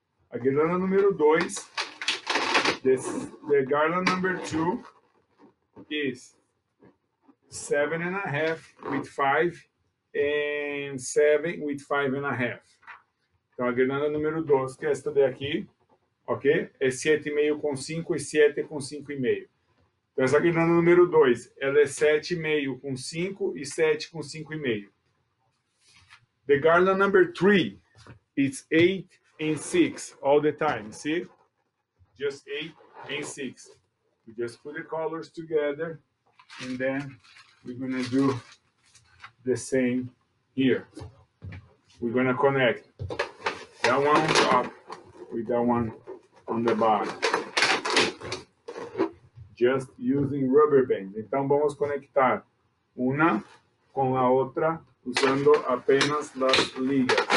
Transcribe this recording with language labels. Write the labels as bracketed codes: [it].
[pt] A guirlanda número 2, [en] the garland number 2, is 7 and a half with 5 and 7 with 5 and a half. [pt] Então, a guirlanda número 2, que é esta daqui, ok? É 7,5 com 5 e 7 com 5,5. Então, essa guirlanda número 2, ela é 7,5 com 5 e 7 com 5,5. [en] The garland number 3, it's 8 and 6 all the time, see? Just 8 and 6. We just put the colors together, and then we're going to do the same here. We're going to connect that one on top with that one on the bottom. Just using rubber bands. [pt] Então, vamos conectar uma com a outra usando apenas as ligas.